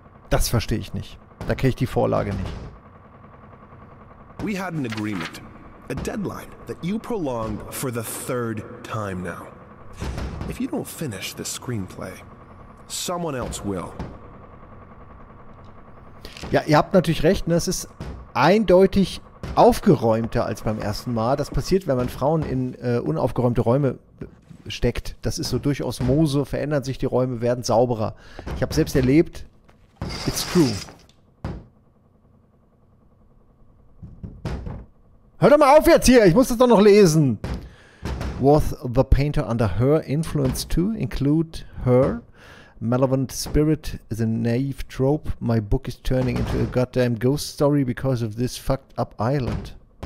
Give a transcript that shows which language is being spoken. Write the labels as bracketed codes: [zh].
[de] Das verstehe ich nicht. Da kenne ich die Vorlage nicht. [en] We had an agreement, a deadline that you prolonged for the third time now. If you don't finish this screenplay, someone else will. [de] Ja, ihr habt natürlich recht, ne? Es ist eindeutig aufgeräumter als beim ersten Mal. Das passiert, wenn man Frauen in unaufgeräumte Räume steckt. Das ist so durch Osmose, verändern sich die Räume, werden sauberer. Ich habe selbst erlebt, [en] it's true. [de] Hör doch mal auf jetzt hier, ich muss das doch noch lesen. [en] Was the painter under her influence to include her? Malevolent spirit is a naive trope. My book is turning into a goddamn ghost story because of this fucked up island.